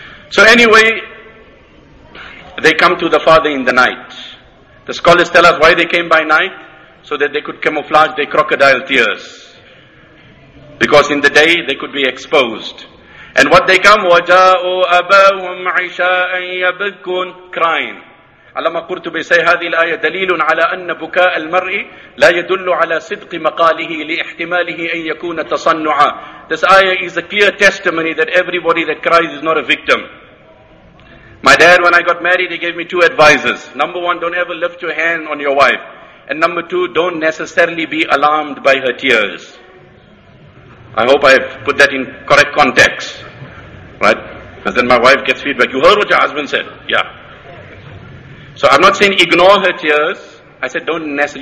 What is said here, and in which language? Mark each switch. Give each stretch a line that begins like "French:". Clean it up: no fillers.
English: So anyway, they come to the Father in the night. The scholars tell us why they came by night. So that they could camouflage their crocodile tears. Because in the day they could be exposed. And what they come,
Arabic: وَجَاءُوا أَبَاهُمْ عِشَاءً يَبَكُونَ
English: Crying.
Arabic: عَلَمَا قُرْتُبِي say, هَذِي الْآيَ دَلِيلٌ عَلَىٰ أَنَّ بُكَاءَ الْمَرْءِ لَا يَدُلُّ عَلَىٰ صِدْقِ مَقَالِهِ لِإِحْتِمَالِهِ أَن يَكُونَ تَصَنُّعًا
English: This ayah is a clear testimony that everybody that cries is not a victim. My dad, when I got married, he gave me two advices. Number one, don't ever lift your hand on your wife. And number two, don't necessarily be alarmed by her tears. I hope I've put that in correct context. Right? Because then my wife gets feedback. You heard what your husband said? Yeah. So I'm not saying ignore her tears. I said don't necessarily.